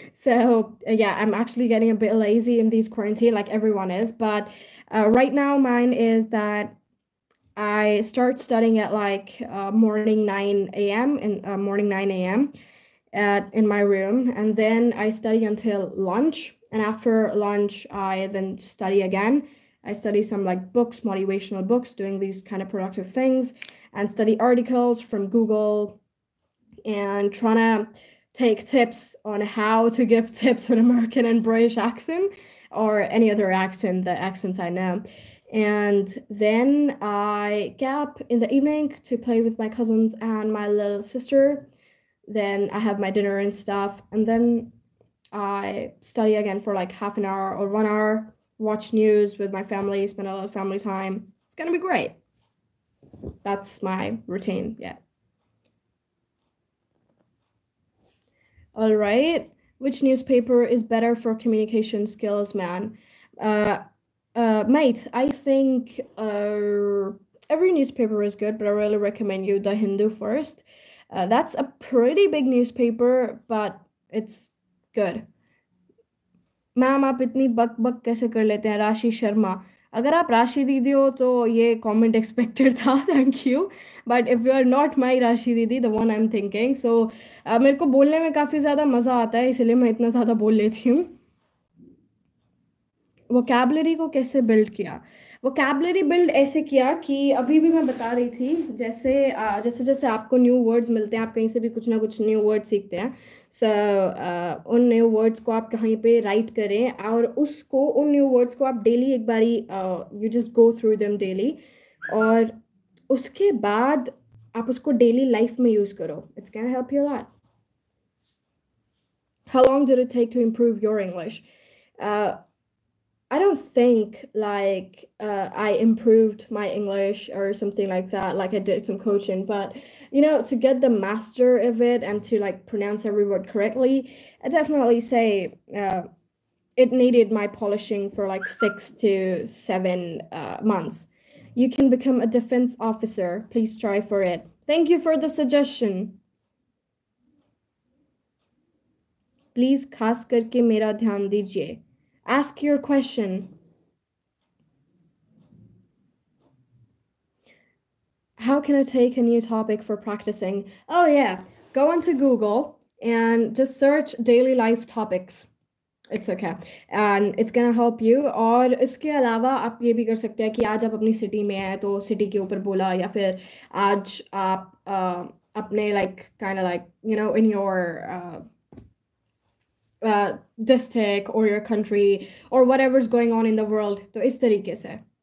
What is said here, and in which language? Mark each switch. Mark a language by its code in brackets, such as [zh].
[en] So yeah I am actually getting a bit lazy in these quarantine like everyone is, but right now mind is that I start studying at like morning 9 AM in morning 9 AM at in my room, and then I study until lunch, and after lunch I then study again. I study some like books, motivational books, doing these kind of productive things, and study articles from Google, and trying to take tips on how to give tips in American and British accent or any other accent, the accents I know. And then I get up in the evening to play with my cousins and my little sister. Then I have my dinner and stuff, and then I study again for like half an hour or 1 hour. Watch news with my family, spend a lot of family time. It's gonna be great. That's my routine, yeah. All right. Which newspaper is better for communication skills, man? Mate, I think every newspaper is good, but I really recommend you the Hindu first. That's a pretty big newspaper, but it's good. [hi] Ma'am आप इतनी बक बक कैसे कर लेते हैं, राशि शर्मा। अगर आप राशि दीदी हो तो ये कमेंट एक्सपेक्टेड था, [en] thank you, but if you are not my Rashi दीदी, the one I am thinking, [hi] सो मेरे को बोलने में काफ़ी ज़्यादा मज़ा आता है इसलिए मैं इतना ज़्यादा बोल लेती हूँ। वोकैबलरी को कैसे बिल्ड किया? वोकैबलरी बिल्ड ऐसे किया कि अभी भी मैं बता रही थी, जैसे जैसे जैसे आपको न्यू वर्ड्स मिलते हैं, आप कहीं से भी कुछ ना कुछ न्यू वर्ड सीखते हैं, सो उन न्यू वर्ड्स को आप कहीं पे राइट करें, और उसको, उन न्यू वर्ड्स को आप डेली एक बारी, [en] you just go through them daily, [hi] और उसके बाद आप उसको डेली लाइफ में यूज़ करो, [en] It's can help you lot. How long did it take to improve your English? I don't think like I improved my English or something like that, like I did some coaching, but you know, to get the master of it and to like pronounce every word correctly, I definitely say it needed my polishing for like 6 to 7 months. You can become a defense officer. Please try for it. Thank you for the suggestion. Please [hi] खास करके मेरा ध्यान दीजिए। [en] Ask your question. How can I take a new topic for practicing? Oh yeah, go onto Google and just search daily life topics. It's okay and it's can help you. [hi] और इसके अलावा आप ये भी कर सकते हैं कि आज आप अपनी सिटी में आए तो सिटी के ऊपर बोला, या फिर आज आप अपने [en] like kind of like you know in your district और your country और whatever is going on in the world, [hi] तो इस तरीके से।